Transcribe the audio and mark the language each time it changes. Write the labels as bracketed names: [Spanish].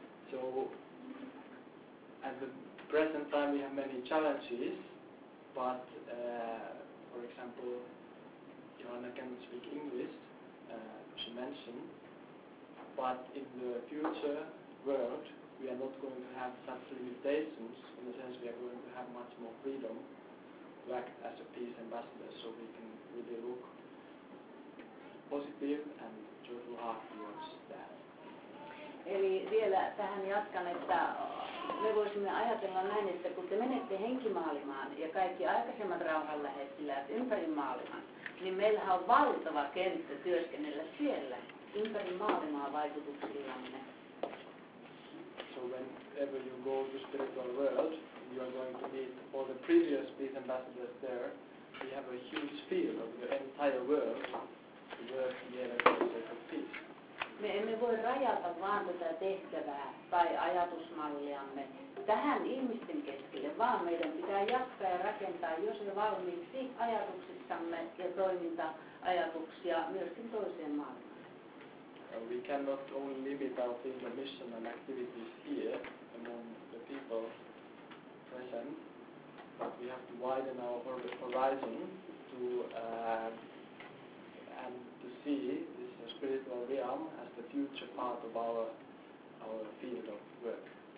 [English] So at the present time we have many challenges, but for example, Joanna can speak English, she mentioned, but in the future world we are not going to have such limitations, in the sense we are going to have much more freedom to act as a peace ambassador, so we can really look positive and joyful heart towards that. [Finnish] Eli vielä tähän jatkan, että me voisimme ajatella näin, että kun te menette henkimaailmaan ja kaikki aikaisemmat rauhanlähettiläät ympäri maailman, niin meillähän on valtava kenttä työskennellä siellä ympäri maailmaa vaikutuksillamme. [English] So whenever you go to spiritual world, you are going to meet all the previous peace ambassadors there. We have a huge field of the entire world to work together for the sake of peace. [Finnish] Me emme voi rajata vaan tätä tehtävää tai ajatusmalliamme tähän ihmisten keskelle, vaan meidän pitää jatkaa ja rakentaa jo sen valmiiksi ajatuksissamme ja toiminta-ajatuksia myöskin toiseen maailmaan. [English] We cannot only limit our field of mission and activities here among the people present, but we have to widen our horizon to see this spiritual realm as the future part of our field of work.